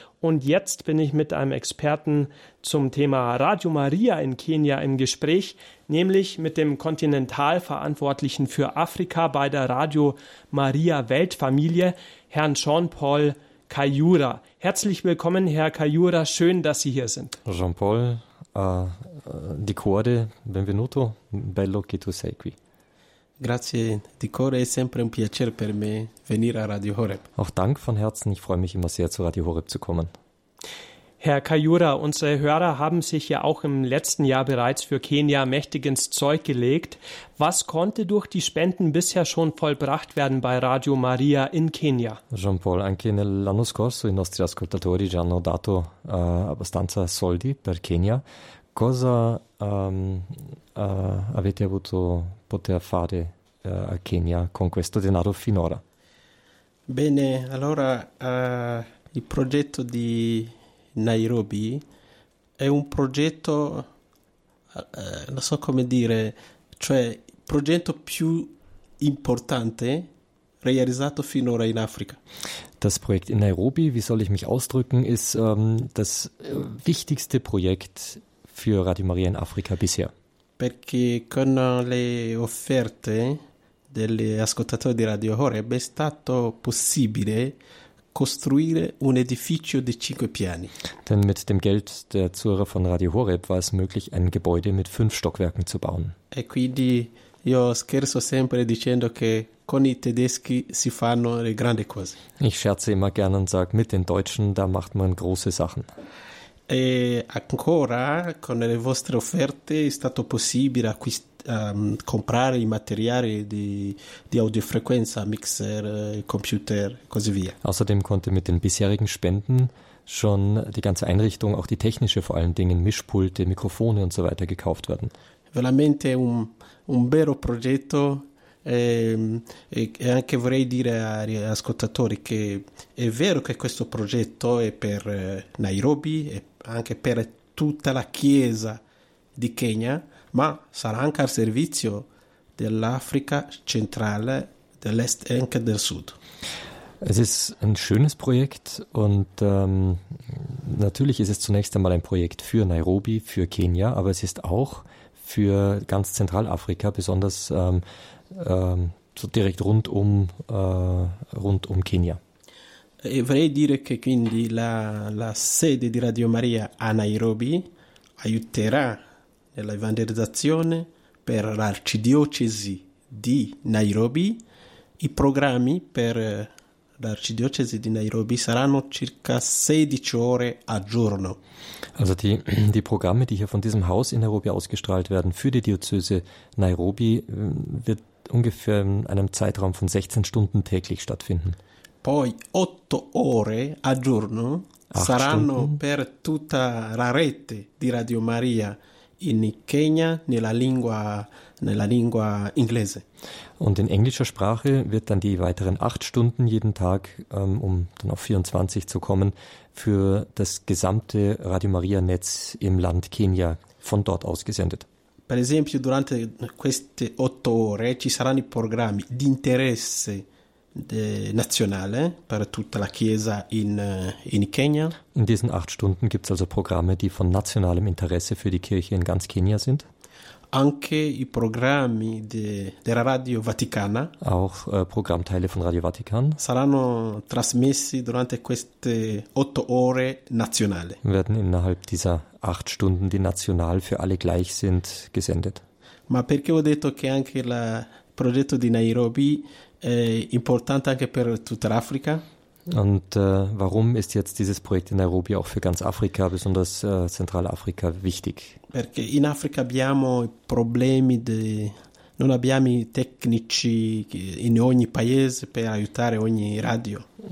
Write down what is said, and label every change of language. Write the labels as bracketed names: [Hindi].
[German] Und jetzt bin ich mit einem Experten zum Thema Radio Maria in Kenia im Gespräch, nämlich mit dem Kontinentalverantwortlichen für Afrika bei der Radio Maria Weltfamilie, Herrn Jean-Paul Kayura. Herzlich willkommen, Herr Kayura. Schön, dass Sie hier sind. Jean-Paul. [Italian] Di cuore, benvenuto, bello che tu sei qui. Grazie, di cuore, è sempre un piacere per me venire a Radio Horeb. [German] Auch Dank von Herzen, ich freue mich immer sehr, zu Radio Horeb zu kommen. Herr Kayura, unsere Hörer haben sich ja auch im letzten Jahr bereits für Kenia mächtig ins Zeug gelegt. Was konnte durch die Spenden bisher schon vollbracht werden bei Radio Maria in Kenia? [Italian] Jean-Paul, anche nell'anno scorso i nostri ascoltatori già hanno dato abbastanza soldi per Kenia. Cosa avete avuto poter fare a Kenia con questo denaro finora? Bene, allora il progetto di Nairobi è un progetto, non so come dire, cioè il progetto più importante realizzato finora in Africa. [German] Das Projekt in Nairobi, wie soll ich mich ausdrücken, ist das wichtigste Projekt für Radio Maria in Afrika bisher. [Italian] Perché con le offerte degli ascoltatori di Radio Horeb è stato possibile costruire un edificio di 5 piani. [German] Denn mit dem Geld der Zuhörer von Radio Horeb war es möglich, ein Gebäude mit 5 Stockwerken zu bauen. [Italian] E quindi io scherzo sempre dicendo che con i tedeschi si fanno le grandi cose. [German] Ich scherze immer gerne und sage, mit den Deutschen, da macht man große Sachen. [Italian] E ancora con le vostre offerte è stato possibile comprare i materiali di audiofrequenza, mixer, computer e così via. [German] Außerdem konnte mit den bisherigen Spenden schon die ganze Einrichtung, auch die technische vor allen Dingen, Mischpulte, Mikrofone und so weiter gekauft werden. [Italian] Veramente un vero progetto e anche vorrei dire agli ascoltatori che è vero che questo progetto è per Nairobi e anche per tutta la chiesa di Kenya, ma sarà anche al servizio dell'Africa centrale, dell'Est e anche del Sud. [German] Es ist ein schönes Projekt und natürlich ist es zunächst einmal ein Projekt für Nairobi, für Kenia, aber es ist auch für ganz Zentralafrika, besonders so direkt rund um Kenia. [Italian] E vorrei dire che quindi la sede di Radio Maria a Nairobi aiuterà nella evangelizzazione per l'arcidiocesi di Nairobi. I programmi per l'arcidiocesi di Nairobi saranno circa 16 ore al giorno. [German] Also die Programme, die hier von diesem Haus in Nairobi ausgestrahlt werden für die Diözese Nairobi, wird ungefähr in einem Zeitraum von 16 Stunden täglich stattfinden. [Italian] Poi 8 ore al giorno saranno per tutta la rete di Radio Maria in Kenya nella lingua inglese. [German] Und in englischer Sprache wird dann die weiteren 8 Stunden jeden Tag, um dann auf 24 zu kommen, für das gesamte Radio Maria Netz im Land Kenia von dort aus gesendet. [Italian] Per esempio, durante queste 8 ore ci saranno i programmi di interesse nazionale per tutta la Chiesa in Kenya. [German] In diesen 8 Stunden gibt es also Programme, die von nationalem Interesse für die Kirche in ganz Kenia sind. [Italian] Anche i programmi della Radio Vaticana. [German] Auch Programmteile von Radio Vatikan. [Italian] Saranno trasmessi durante queste 8 ore nazionale. [German] Werden innerhalb dieser 8 Stunden, die national für alle gleich sind, gesendet. [Italian] Ma perché ho detto che anche il progetto di Nairobi è importante anche per tutta l'Africa? [German] Und warum ist jetzt dieses Projekt in Nairobi auch für ganz Afrika, besonders Zentralafrika, wichtig? [Italian] Perché in Africa abbiamo problemi non abbiamo i tecnici in ogni paese per aiutare ogni radio.